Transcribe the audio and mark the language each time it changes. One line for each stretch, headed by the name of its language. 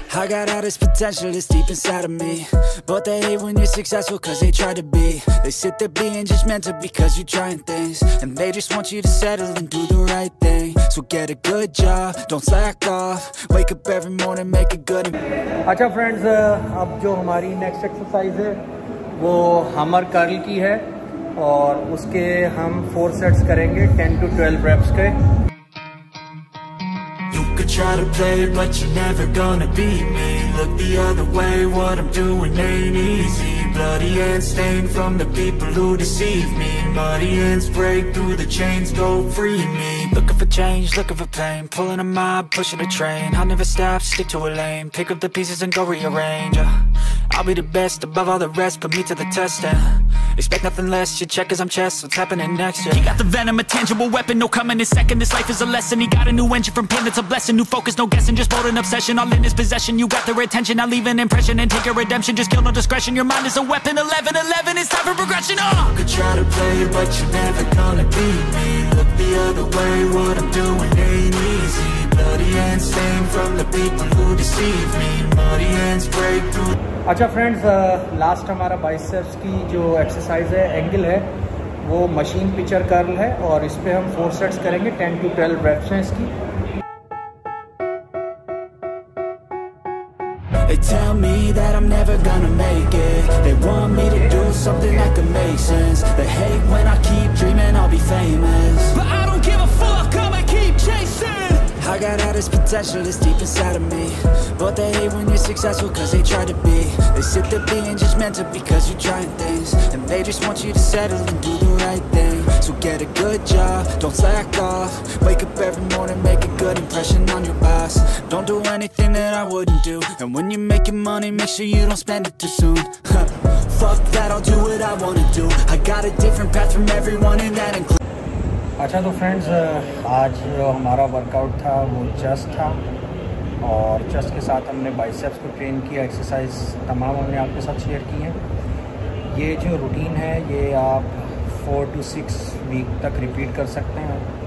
English: I got all this potential, it's deep inside of me. But they hate when you're successful cause they try to be. They sit there being judgmental because you're trying things. And they just want you to settle and do the right thing. So get a good job, don't slack off. Wake up every morning, make a good.
Hindi: Acha friends, ab jo hamari next exercise hai, वो हमर curl की है और उसके हम 4 sets करेंगे 10 to 12 wraps के.
English: You could try to play but you're never gonna beat me. Look the other way, what I'm doing ain't easy. Bloody hands stained from the people who deceive me. Muddy hands break through the chains, go free me. Looking for change, looking for pain. Pulling a mob, pushing a train. I'll never stop, stick to a lane. Pick up the pieces and go rearrange, yeah. I'll be the best above all the rest, put me to the test and expect nothing less, you check as I'm chess, what's happening next, yeah. He got the venom, a tangible weapon, no coming in second, this life is a lesson. He got a new engine from pain, it's a blessing. New focus, no guessing, just bold and obsession. All in his possession, you got the retention. I'll leave an impression and take a redemption. Just kill no discretion, your mind is a weapon. 11-11, it's time for progression, oh! You could try to play, but you're never gonna beat me. Look the other way, what I'm doing ain't easy. Bloody hands stained from the people who deceive me. Muddy hands break through.
Hindi: अच्छा friends, last हमारा biceps की जो exercise है, angle है, वो machine picture curl है और इस पर हम 4 सेट्स करेंगे 10 टू 12 रेप्स हैं इसकी.
English: Tell me that I'm never gonna make it. They want me to do something that could make sense. They hate when I keep dreaming I'll be famous. But I don't give a fuck, I'ma keep chasing. I got all this potential, it's deep inside of me. But they hate when you're successful cause they try to be. They sit there being judgmental because you're trying things. And they just want you to settle and do the right thing. So get a good job, don't slack off. Wake up every morning, make a good impression on your boss. Don't do anything that I wouldn't do. And when you're making money, make sure you don't spend it too soon. Fuck that, I'll do what I wanna do. I got a different path from everyone and that includes.
Hindi: अच्छा तो friends, आज जो हमारा workout था वो chest था और chest के साथ हमने बाइसेप्स को ट्रेन किया. एक्सरसाइज तमाम हमने आपके साथ शेयर की है. ये जो रूटीन है ये आप 4 to 6 वीक तक रिपीट कर सकते हैं.